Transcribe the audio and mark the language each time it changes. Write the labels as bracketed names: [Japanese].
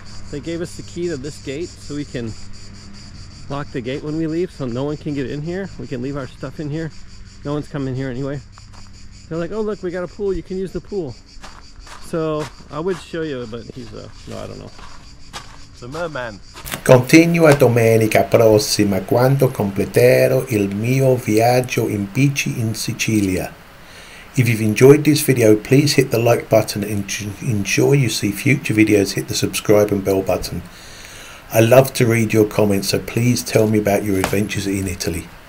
[English] They gave us the key to this gate so we can lock the gate when we leave so no one can get in here. We can leave our stuff in here. No one's coming here anyway. They're like, oh look, we got a pool. You can use the pool. So I would show you, but he's a, no, I don't know. It's a merman. [Italian] Continua domenica prossima quando completerò il mio viaggio in bici in Sicilia. [English] If you've enjoyed this video, please hit the like button and ensure you see future videos, hit the subscribe and bell button. I love to read your comments, so please tell me about your adventures in Italy.